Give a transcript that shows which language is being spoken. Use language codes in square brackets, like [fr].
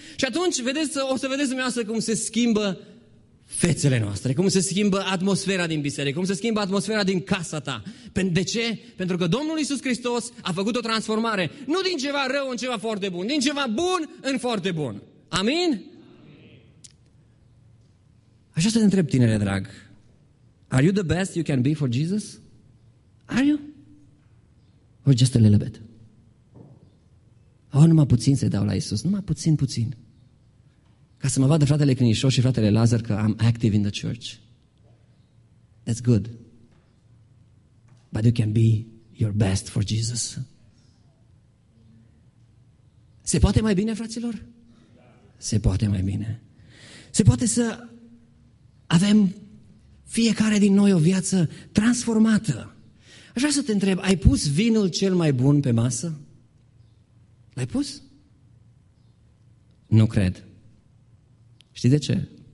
[ro] Și atunci, vedeți, o să vedeți dumneavoastră cum se schimbă fețele noastre, cum se schimbă atmosfera din biserică, cum se schimbă atmosfera din casa ta. De ce? Pentru că Domnul Iisus Hristos a făcut o transformare, nu din ceva rău în ceva foarte bun, din ceva bun în foarte bun. Amin? Așa să te întreb, tinere drag. [en] Are you the best you can be for Jesus? Are you? Or just a little bit? [ro] Oh, numai puțin să-i dau la Iisus, numai puțin, puțin. Ca să mă vadă fratele Crinișor și fratele Lazar că [en] I'm active in the church. That's good. But you can be your best for Jesus. [ro] Se poate mai bine, fraților? Se poate mai bine. Se poate să avem fiecare din noi o viață transformată. Aș vrea să te întreb, ai pus vinul cel mai bun pe masă? L-ai pus? Nu cred. Știi de ce?